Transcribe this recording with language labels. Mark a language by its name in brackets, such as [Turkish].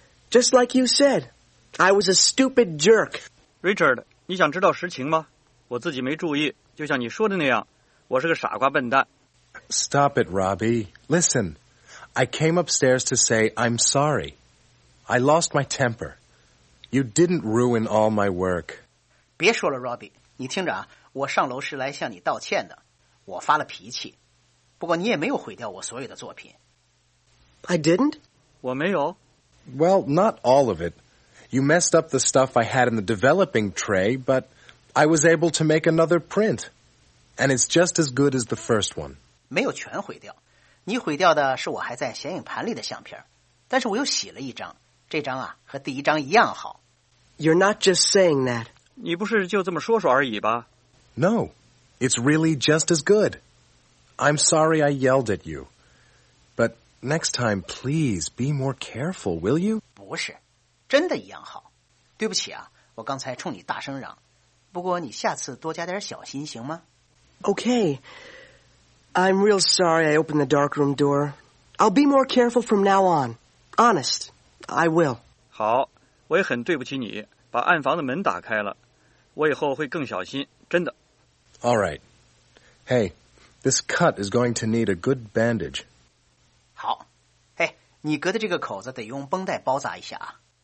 [English] Just like you said, I was a stupid jerk. [Chinese] Richard, 你想知道实情吗？我自己没注意，就像你说的那样，我是个傻瓜笨蛋。 [English] Stop it, Robbie. Listen, I came upstairs to say I'm sorry. I lost my temper. You didn't ruin all my work. [Chinese] 别说了 ，Robbie， 你听着啊，我上楼是来向你道歉的，我发了脾气。不过你也没有毁掉我所有的作品。 [English] I didn't? [Chinese] 我没有。 [English] Well, not all of it. You messed up the stuff I had in the developing tray, but I was able to make another print. And it's just as good as the first one. [Chinese] 没有全毁掉。你毁掉的是我还在显影盘里的相片。但是我又洗了一张。这张啊，和第一张一样好。 [English] You're not just saying that. [Chinese] 你不是就这么说说而已吧？ [English] No, it's really just as good. I'm sorry I yelled at you, but next time, please be more careful, will you? [Chinese] 不是，真的一样好。对不起啊，我刚才冲你大声嚷。不过你下次多加点小心行吗？ [English] Okay. I'm real sorry I opened the darkroom door. I'll be more careful from now on. Honest, I will. [Chinese] 好，我也很对不起你，把暗房的门打开了。我以后会更小心，真的。 [English] All right. Hey. This cut is going to need a good bandage. [Chinese] 好，嘿，你割的这个口子得用绷带包扎一下啊。